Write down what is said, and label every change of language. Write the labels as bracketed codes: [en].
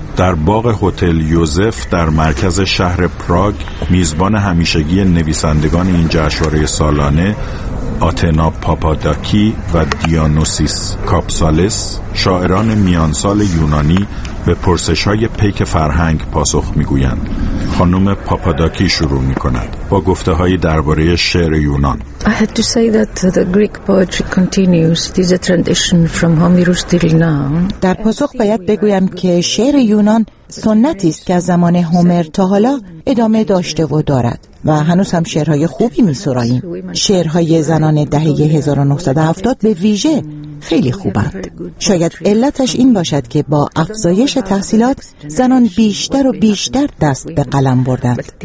[fa] در باغ هتل یوزف در مرکز شهر پراگ، میزبان همیشگی نویسندگان این جشنواره سالانه، آتنا پاپاداکی و دیانوسیس کاپسالس، شاعران میانسال یونانی، به پرسش‌های پیک فرهنگ پاسخ می‌گویند. خانم پاپاداکی شروع می کند با گفته های درباره شعر یونان. [en] I had to say that the Greek poetry continues. This is a tradition from Homerus till now. [fa] در پاسخ باید بگویم که شعر یونان سنتی است که از زمان هومر تا حالا ادامه داشته و دارد و هنوز هم شعرهای خوبی می سراییم. شعرهای زنان دهه 1970 به ویژه خیلی خوبند. شاید علتش این باشد که با افزایش تحصیلات زنان بیشتر و بیشتر دست به قلم بردند.